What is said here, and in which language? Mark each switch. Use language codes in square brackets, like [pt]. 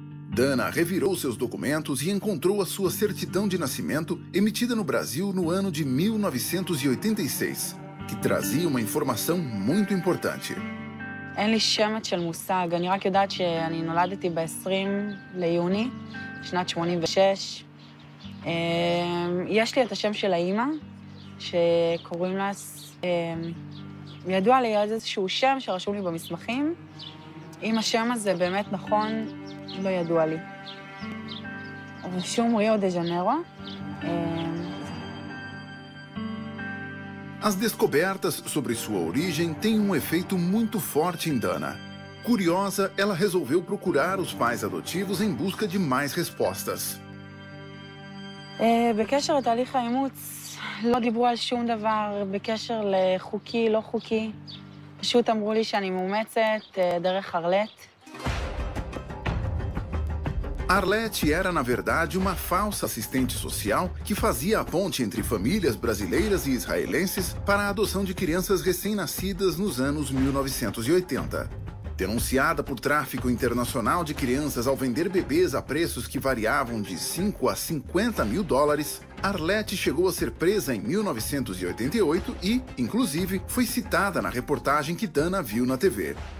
[pt] Dana revirou seus documentos e encontrou a sua certidão de nascimento emitida no Brasil no ano de 1986, que trazia uma informação muito importante. [he] אין לי שמץ של מושג, אני רק יודעת שאני נולדתי ב-20 ליוני, שנת 86. יש לי את השם של האימא, שקוראים לה... ידוע לי על איזשהו שם שרשום לי במסמכים. אם השם הזה באמת נכון, לא ידוע לי. רשום ריו דה ג'נרו. [pt] As descobertas sobre sua origem têm um efeito muito forte em Dana. Curiosa, ela resolveu procurar os pais adotivos em busca de mais respostas. [he] בקשר לתהליך האימוץ, לא דיברו על שום דבר, בקשר לחוקי, לא חוקי. פשוט אמרו לי שאני מאומצת דרך ארלט. [pt] Arlete era, na verdade, uma falsa assistente social que fazia a ponte entre famílias brasileiras e israelenses para a adoção de crianças recém-nascidas nos anos 1980. Denunciada por tráfico internacional de crianças ao vender bebês a preços que variavam de 5 a 50 mil dólares, Arlete chegou a ser presa em 1988 e, inclusive, foi citada na reportagem que Dana viu na TV.